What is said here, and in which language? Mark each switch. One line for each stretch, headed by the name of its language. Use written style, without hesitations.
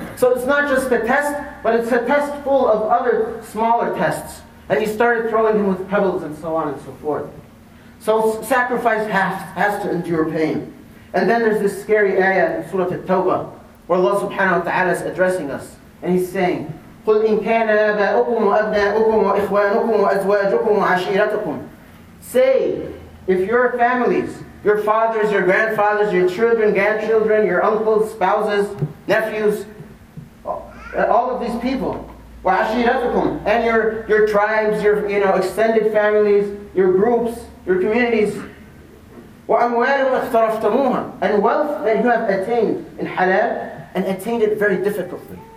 English: So it's not just the test, but it's a test full of other smaller tests. And he started throwing him with pebbles and so on and so forth. So sacrifice has to endure pain. And then there's this scary ayah in Surah At-Tawbah, where Allah subhanahu wa ta'ala is addressing us. And he's saying,
Arabic: قل إن كان آباؤكم وأبناؤكم وإخوانكم وأزواجكم وعشيرتكم.
English: Say, if your families, your fathers, your grandfathers, your children, grandchildren, your uncles, spouses, nephews, all of these people,
Arabic: وعشيرتكم,
English: and your tribes, your extended families, your groups, your communities,
Arabic: وأموال اقترفتموها,
English: and wealth that you have attained in halal, and attained it very difficultly.